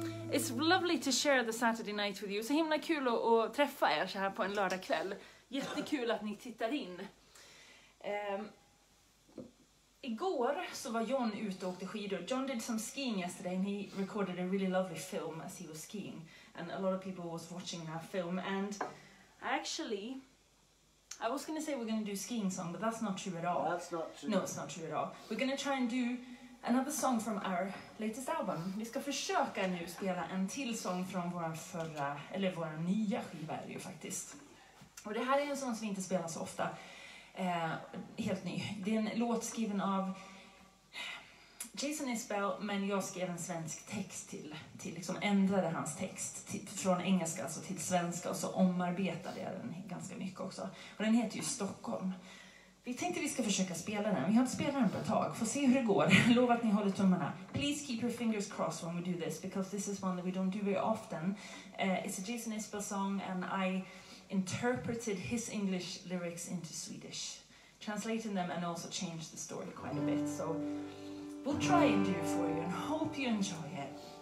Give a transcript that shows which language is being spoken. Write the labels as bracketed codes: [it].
[en] It's lovely to share the Saturday night with you. [sv] Så himla kul att träffa er så här på en lördagkväll. Jättekul att ni tittar in. Igår så var John ute och åkte skidor. [en] John did some skiing yesterday and he recorded a really lovely film as he was skiing. And a lot of people was watching that film. And actually, I was going to say we're going to do skiing song, but that's not true at all. That's not true. No, it's not true at all. We're going to try and do another song from our latest album. [sv] Vi ska försöka nu spela en till sång från vår nya skiva, är det ju faktiskt. Och det här är en sång som vi inte spelar så ofta. Helt ny. Det är en låt skriven av Jason Isbell, men jag skrev en svensk text till liksom ändrade hans text från engelska alltså till svenska och så omarbetade jag den ganska mycket också. Och den heter ju Stockholm. Vi tänkte vi ska försöka spela den. Vi har inte spelat den på ett tag. Får se hur det går. Lova att ni håller tummarna. [en] Please keep your fingers crossed when we do this, because this is one that we don't do very often. It's a Jason Isbell song and I interpreted his English lyrics into Swedish, translating them and also changed the story quite a bit. So we'll try and do it for you and hope you enjoy it.